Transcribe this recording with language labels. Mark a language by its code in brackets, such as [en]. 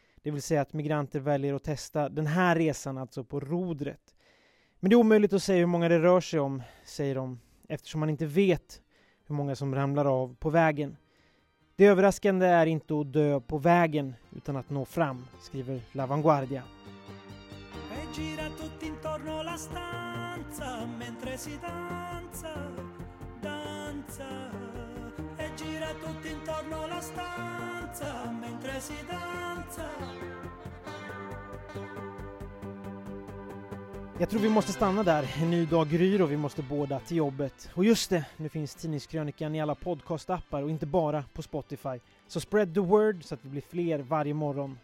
[sv] Det vill säga att migranter väljer att testa den här resan, alltså på rodret. Men det är omöjligt att säga hur många det rör sig om, säger de, eftersom man inte vet hur många som ramlar av på vägen. Det överraskande är inte att dö på vägen utan att nå fram, skriver La Vanguardia. [it] Gira tutto intorno la stanza mentre si danza, danza. E gira tutto intorno la stanza mentre si danza. [sv] Jag tror vi måste stanna där. En ny dag gryr och vi måste båda till jobbet. Och just det, nu finns tidningskrönikan i alla podcastappar och inte bara på Spotify. Så [en] spread the word [sv] så att vi blir fler varje morgon.